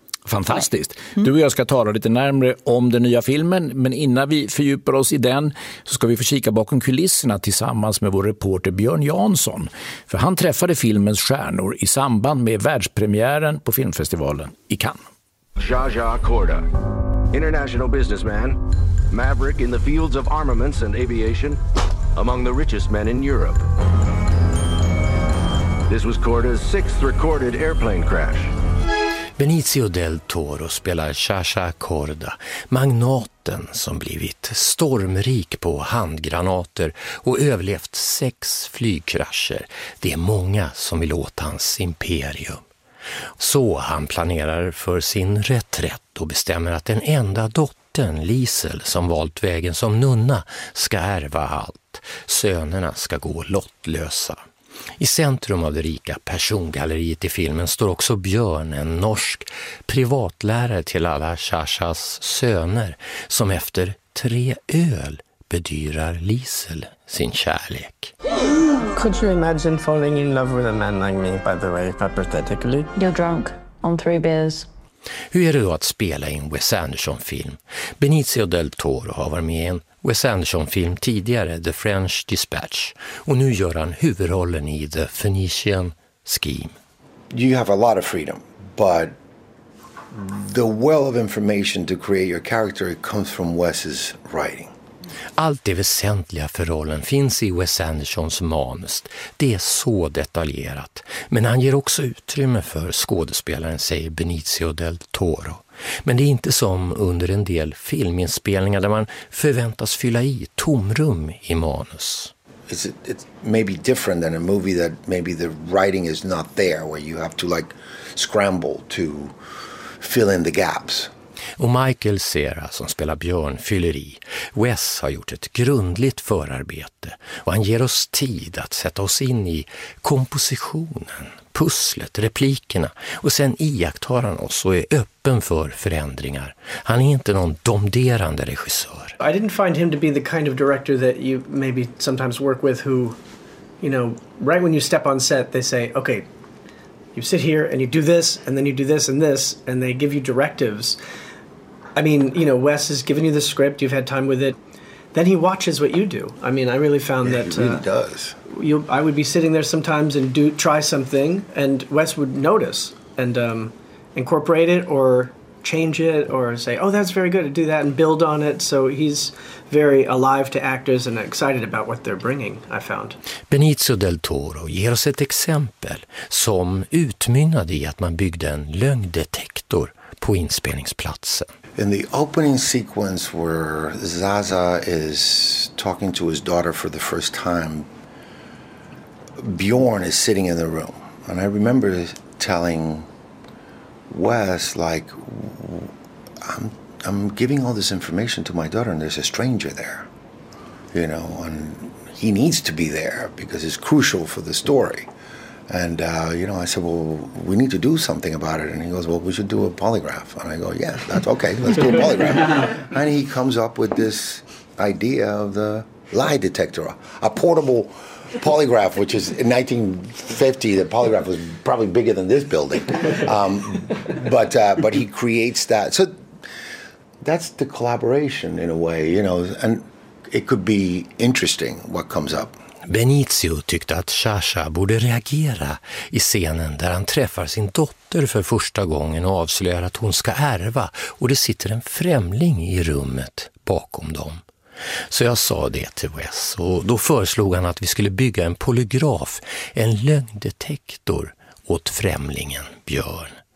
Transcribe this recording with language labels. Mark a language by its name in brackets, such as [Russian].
[Swedish] Fantastiskt. Du och jag ska tala lite närmare om den nya filmen, men innan vi fördjupar oss i den så ska vi få kika bakom kulisserna tillsammans med vår reporter Björn Jansson. För han träffade filmens stjärnor i samband med världspremiären på filmfestivalen i Cannes. [English] Zsa Zsa Korda, international businessman, maverick in the fields of armaments and aviation, among the richest men in Europe. This was Korda's sixth recorded airplane crash. [Swedish] Benicio del Toro spelar Zsa Zsa Korda, magnaten som blivit stormrik på handgranater och överlevt 6 flygkrascher. Det är många som vill åt hans imperium. Så han planerar för sin reträtt och bestämmer att den enda dottern, Liesel, som valt vägen som nunna, ska ärva allt. Sönerna ska gå lottlösa. I centrum av det rika persongalleriet i filmen står också Björn, en norsk privatlärare till alla Shashas söner, som efter 3 öl bedyrar Liesel sin kärlek. [English] Could you imagine falling in love with a man like me, by the way, hypothetically? You're drunk on 3 beers. [Swedish] Hur är det då att spela i en Wes Anderson-film? Benicio del Toro har varit med i en Wes Anderson-film tidigare, The French Dispatch. Och nu gör han huvudrollen i The Phoenician Scheme. [English] You have a lot of freedom, but the well of information to create your character comes from Wes's writing. [Swedish] Allt det väsentliga för rollen finns i Wes Andersons manus. Det är så detaljerat. Men han ger också utrymme för skådespelaren, säger Benicio del Toro. Men det är inte som under en del filminspelningar där man förväntas fylla i tomrum i manus. [English] It may be different than a movie that maybe the writing is not there, where you have to like scramble to fill in the gaps. [Swedish] Och Michael Cera, som spelar Björn, fyller i. Wes har gjort ett grundligt förarbete och han ger oss tid att sätta oss in i kompositionen, pusslet, replikerna. Och sen iakttar han oss och är öppen för förändringar. Han är inte någon domderande regissör. [English] I didn't find him to be the kind of director that you maybe sometimes work with who, you know, right when you step on set they say, okay, you sit here and you do this and then you do this and this and they give you directives. I mean, you know, Wes has given you the script, you've had time with it. Then he watches what you do. I mean, I really found yeah, that he really does. I would be sitting there sometimes and try something and Wes would notice and incorporate it or change it or say, "Oh, that's very good. Do that and build on it." So he's very alive to actors and excited about what they're bringing, I found. [Swedish] Benicio del Toro ger oss ett exempel som utmynnade i att man byggde en lögndetektor på inspelningsplatsen. [English] In the opening sequence where Zaza is talking to his daughter for the first time, Bjorn is sitting in the room. And I remember telling Wes, like, I'm giving all this information to my daughter and there's a stranger there, you know, and he needs to be there because it's crucial for the story. And, you know, I said, well, we need to do something about it. And he goes, well, we should do a polygraph. And I go, yeah, that's okay. Let's do a polygraph. And he comes up with this idea of the lie detector, a portable polygraph, which is in 1950, the polygraph was probably bigger than this building. But he creates that. So that's the collaboration in a way, you know, and it could be interesting what comes up. [Swedish] Benicio tyckte att Sasha borde reagera i scenen där han träffar sin dotter för första gången och avslöjar att hon ska ärva och det sitter en främling i rummet bakom dem. Så jag sa det till Wes och då föreslog han att vi skulle bygga en polygraf, en lögndetektor åt främlingen Björn.